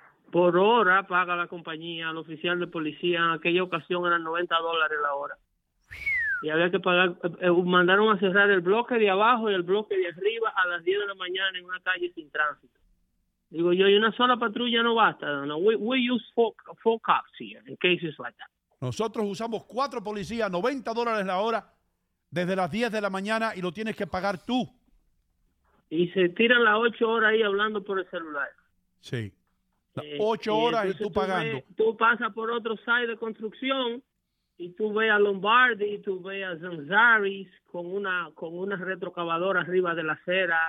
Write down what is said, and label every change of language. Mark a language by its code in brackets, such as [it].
[es] Por hora paga la compañía, el oficial de policía. En aquella ocasión eran $90 la hora. Y había que pagar, mandaron a cerrar el bloque de abajo y el bloque de arriba a las 10 de la mañana en una calle sin tránsito. Digo yo, y una sola patrulla no basta. [en] No, we use four cops here in cases like that. [es] Nosotros usamos 4 policías, $90 la hora, desde las 10 de la mañana, y lo tienes que pagar tú. Y se tiran las 8 horas ahí hablando por el celular. Sí. 8 horas y tú pagando. Tú pasas por otro site de construcción y tú ves a Lombardi, tú ves a Zanzaris con una retrocavadora arriba de la acera.